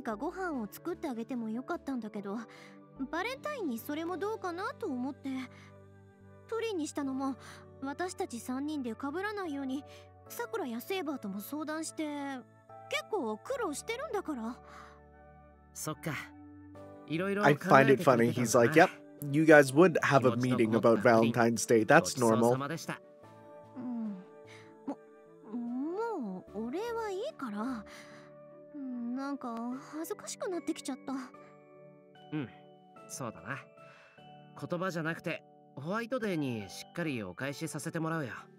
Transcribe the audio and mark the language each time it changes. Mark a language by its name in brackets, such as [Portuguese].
[Japanese] トウサカたちがそわそわしてるなとは思ってたんだ。何よ、笑うことないでしょ。ごめんごめん、悪かったって。ほら、私ってこんな感じでしょ。だからこういったイベントとかに乗っからないと感謝の気持ちを伝えられないというか、何かご飯を作ってあげてもよかったんだけど、 バレンタインにそれもどうかなと思って、取りにしたのも私たち3人で被らないように、さくらやセーバーとも相談して結構苦労してるんだから。そっか。いろいろ考えてたんだ。 [English] I find it funny. He's like, "Yep, you guys would have a meeting about Valentine's Day. That's normal." [Japanese] もうお礼はいいから、なんか恥ずかしくなってきちゃった。うん。そうだな。言葉じゃなくてホワイトデーにしっかりお返しさせてもらうよ。